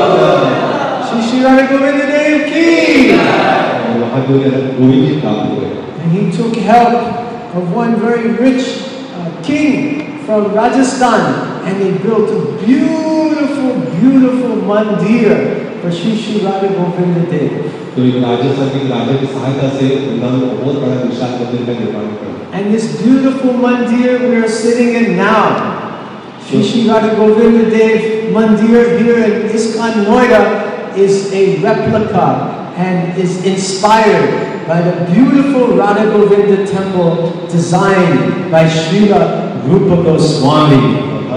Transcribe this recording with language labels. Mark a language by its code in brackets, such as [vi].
[en] Shishirani Govinda Dev Ki. And he took help of one very rich king from Rajasthan and he built a beautiful, beautiful mandir for Shishirani Govinda Dev. [hi] तो एक राजस्थान के राजा की सहायता से वृंदावन को बहुत बड़ा विशाल मंदिर का निर्माण किया। [en] And this beautiful mandir we are sitting in now, Shishi Radha Govinda Dev Mandir here in ISKCON Noida, is a replica and is inspired by the beautiful Radha Govinda temple designed by Srila Rupa Goswami.